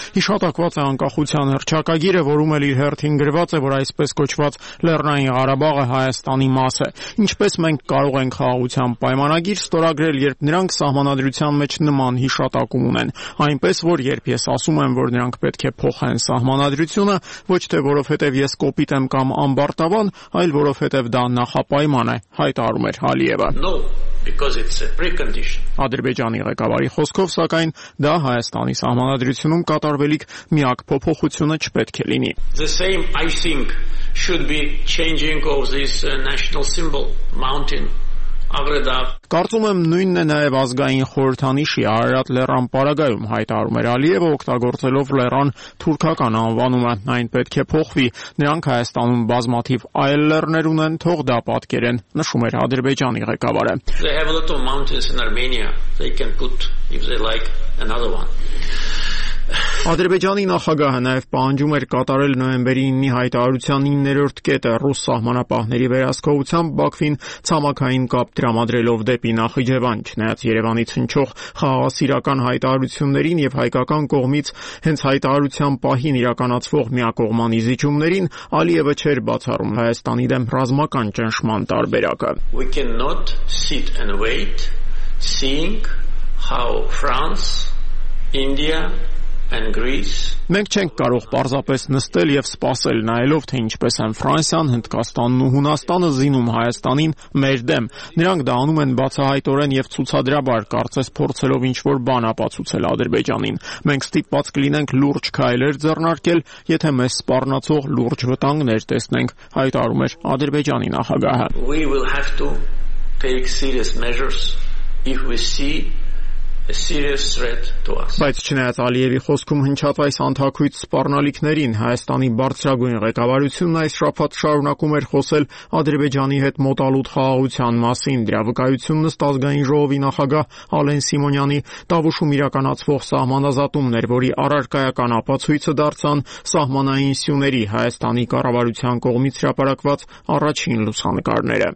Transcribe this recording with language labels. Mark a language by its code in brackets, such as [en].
[hy] հիշատակված է անկախության հռչակագիրը, որում էլ իր հերթին գրված է, որ այսպես կոչված Լեռնային Ղարաբաղը Հայաստանի մաս է։ Ինչպես մենք կարող ենք խաղաղության պայմանագիր ստորագրել, երբ նրանք սահմանադրության մեջ նման հիշատակում ունեն։ Այնպես որ, երբ ես ասում եմ, որ նրանք պետք է փոխեն սահմանադրությունը, ոչ թե որովհետև ես կոպիտ եմ կամ ամբարտավան, այլ որովհետև դա նախապայման է, հայտարում էր Ալիևը։ [en] Because it's a precondition. [hy] Ադրբեջանի ղեկավարի խոսքով, սակայն, դա Հայաստանի սահմանադրությունում կատարվելիք միակ փոփոխությունը չպետք է լինի։ [en] The same, I think, should be changing of this national symbol, mountain. [hy] Կարծում եմ, նույնն է նաև ազգային խորհրդանիշի Արարատ լեռան պարագայում, հայտարում էր Ալիևը, օգտագործելով լեռան թուրքական անվանումը։ Այն պետք է փոխվի, նրանք Հայաստանում բազմաթիվ այլ լեռներ ունեն, թող դա պատկերեն, նշում էր Ադրբեջանի ղեկավարը։ [en] They have a lot of mountains in Armenia. They can put, if they like, another one. [hy] Ադրբեջանի նախագահը նաև պահանջում էր կատարել նոյեմբերի 9-ի հայտարարության 9-րդ կետը ռուս սահմանապահների վերահսկողությամբ Բաքվին, ցամաքային կապ դրամադրելով դեպի Նախիջևան, չնայած Երևանից հնչող խաղաղասիրական հայտարարություններին և հայկական կողմից հենց հայտարարության պահին իրականացվող միակողման իզիջումներին, Ալիևը չէր բացառում Հայաստանի դեմ ռազմական ճնշման տարբերակը։ [en] We cannot sit and wait, seeing how France, India and Greece. [hy] Մենք չենք կարող պարզապես նստել եւ սպասել, նայելով թե ինչպես են Ֆրանսիան, Հնդկաստանն ու Հունաստանը զինում Հայաստանին մեր դեմ։ Նրանք դա անում են բացահայտորեն եւ ցուցադրաբար, կարծես փորձելով ինչ-որ բան ապացուցել Ադրբեջանին։ Մենք ստիպված կլինենք լուրջ քայլեր ձեռնարկել, եթե մեզ սպառնացող լուրջ վտանգներ տեսնենք, հայտարարում էր Ադրբեջանի նախագահը։ [en] We will have to take serious measures if we see a serious threat to us. [hy] Բայց չնայած Ալիևի խոսքում հնչած այս անթաքույց սպառնալիքներին, Հայաստանի բարձրագույն ղեկավարությունն այս շաբաթ շարունակում էր խոսել Ադրբեջանի հետ մոտալուտ խաղաղության մասին։ Դրա վկայությունն ըստ ազգային ժողովի նախագահ Ալեն Սիմոնյանի Տավուշում իրականացվող սահմանազատումներ, որի առարկայական ապացույցը դարձան սահմանային սյուների Հայաստանի կառավարության կողմից հրապարակված առաջին լուսանկարները։